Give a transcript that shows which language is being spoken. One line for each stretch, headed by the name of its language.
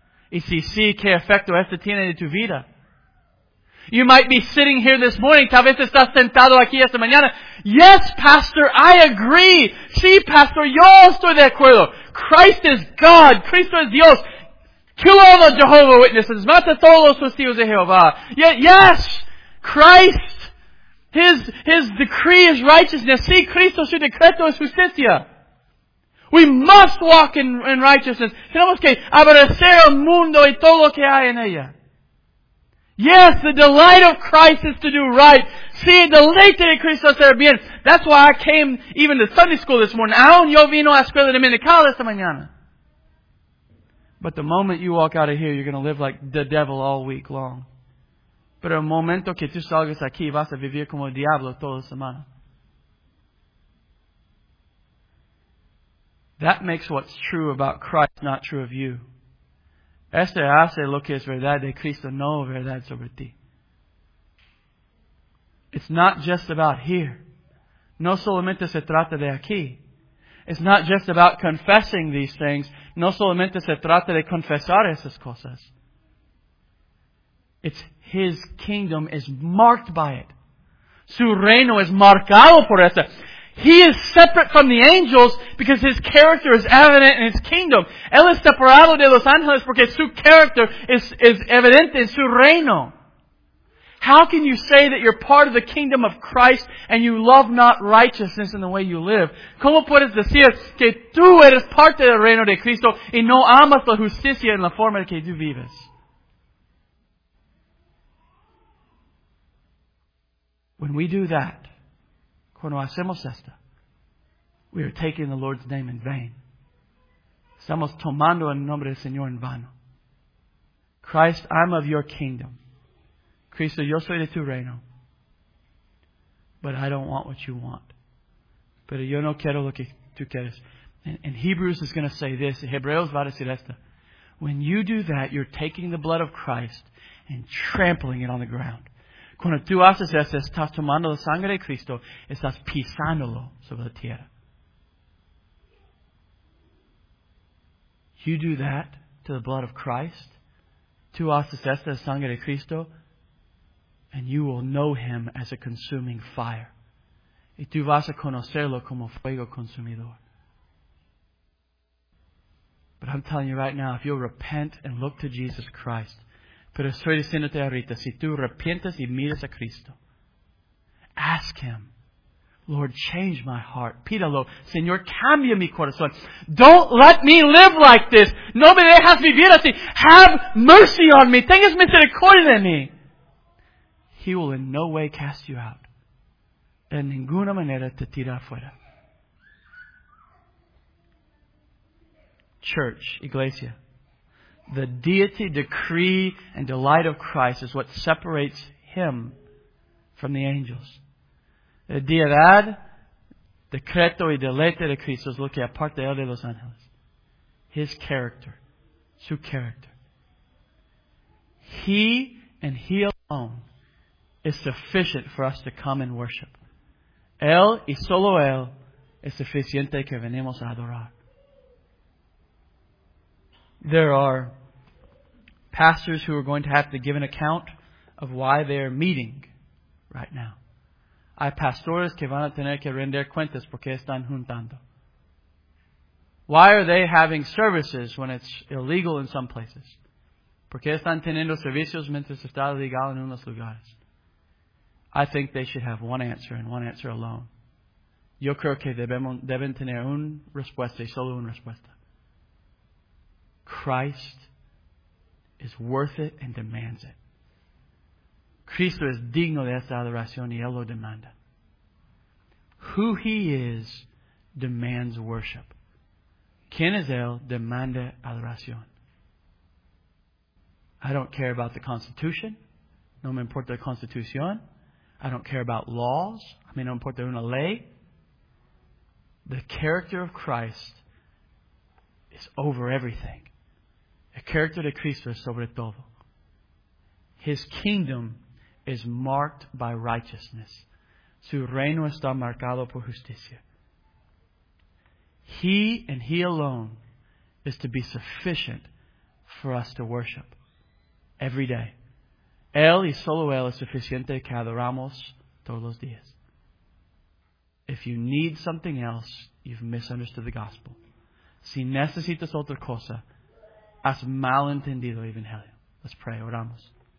Spanish: Y si sí, ¿qué efecto esto tiene en tu vida?
English: You might be sitting here this morning.
Spanish: Tal vez estás sentado aquí esta mañana.
English: Yes, Pastor, I agree.
Spanish: Sí, Pastor, yo estoy de acuerdo.
English: Christ is God.
Spanish: Cristo es Dios.
English: Kill all the Jehovah Witnesses.
Spanish: Mata todos los testigos de Jehová.
English: Yet, yes, Christ, His decree is righteousness.
Spanish: Si Cristo su decreto es justicia.
English: We must walk in righteousness.
Spanish: Tenemos que abrazar el mundo y todo lo que hay en ella.
English: Yes, the delight of Christ is to do right.
Spanish: Si el deleite de Cristo es hacer bien.
English: That's why I came even to Sunday school this morning.
Spanish: Aún yo vino a escuela dominical esta mañana.
English: But the moment you walk out of here, you're going to live like the devil all week long.
Spanish: Pero el momento que tú salgas aquí, vas a vivir como el diablo toda semana.
English: That makes what's true about Christ not true of you.
Spanish: Esto hace lo que es verdad de Cristo, no verdad sobre ti.
English: It's not just about here.
Spanish: No solamente se trata de aquí.
English: It's not just about confessing these things.
Spanish: No solamente se trata de confesar esas cosas.
English: It's His kingdom is marked by it.
Spanish: Su reino es marcado por eso.
English: He is separate from the angels because His character is evident in His kingdom.
Spanish: Él es separado de los ángeles porque su
English: character is
Spanish: evidente en su reino.
English: How can you say that you're part of the kingdom of Christ and you love not righteousness in the way you live?
Spanish: ¿Cómo puedes decir que tú eres parte del reino de Cristo y no amas la justicia en la forma que tú vives?
English: When we do that,
Spanish: cuando hacemos esto,
English: we are taking the Lord's name in vain.
Spanish: Estamos tomando el nombre del Señor en vano.
English: Christ, I'm of your kingdom.
Spanish: Cristo, yo soy de tu reino.
English: But I don't want what you want.
Spanish: Pero yo no quiero lo que tú quieres.
English: And Hebrews is going to say this.
Spanish: Hebreos va a decir esto.
English: When you do that, you're taking the blood of Christ and trampling it on the ground.
Spanish: Cuando tú haces eso, estás tomando la sangre de Cristo, estás pisándolo sobre la tierra.
English: You do that to the blood of Christ,
Spanish: tú haces eso de la sangre de Cristo,
English: and you will know Him as a consuming fire.
Spanish: Y tú vas a conocerlo como fuego consumidor.
English: But I'm telling you right now, if you'll repent and look to Jesus Christ,
Spanish: pero estoy diciéndote ahorita, si tú arrepientes y miras a Cristo,
English: ask Him, Lord, change my heart.
Spanish: Pídalo, Señor, cambia mi corazón.
English: Don't let me live like this.
Spanish: No me dejas vivir así.
English: Have mercy on me.
Spanish: Tengas misericordia de mí.
English: He will in no way cast you out.
Spanish: En ninguna manera te tira afuera.
English: Church,
Spanish: iglesia.
English: The deity, decree, and delight of Christ is what separates Him from the angels.
Spanish: La deidad, decreto y deleite de Cristo es lo que aparta de los ángeles.
English: His character,
Spanish: su character.
English: He and He alone is sufficient for us to come and worship.
Spanish: Él y solo Él es suficiente que venimos a adorar.
English: There are pastors who are going to have to give an account of why they're meeting right now.
Spanish: Hay pastores que van a tener que render cuentas porque están juntando.
English: Why are they having services when it's illegal in some places?
Spanish: Porque están teniendo servicios mientras está legal en unos lugares.
English: I think they should have one answer and one answer alone.
Spanish: Yo creo que deben tener una respuesta y solo una respuesta.
English: Christ is worth it and demands it.
Spanish: Cristo es digno de esta adoración y Él lo demanda.
English: Who He is demands worship.
Spanish: ¿Quién es Él? Demanda adoración.
English: I don't care about the Constitution.
Spanish: No me importa la Constitución.
English: I don't care about laws.
Spanish: A mí no me importa una ley.
English: The character of Christ is over everything.
Spanish: El carácter de Cristo es sobre todo.
English: His kingdom is marked by righteousness.
Spanish: Su reino está marcado por justicia.
English: He and He alone is to be sufficient for us to worship every day.
Spanish: Él y solo Él es suficiente que adoramos todos los días.
English: If you need something else, you've misunderstood the gospel.
Spanish: Si necesitas otra cosa, has malentendido el Evangelio.
English: Let's pray.
Spanish: Oramos.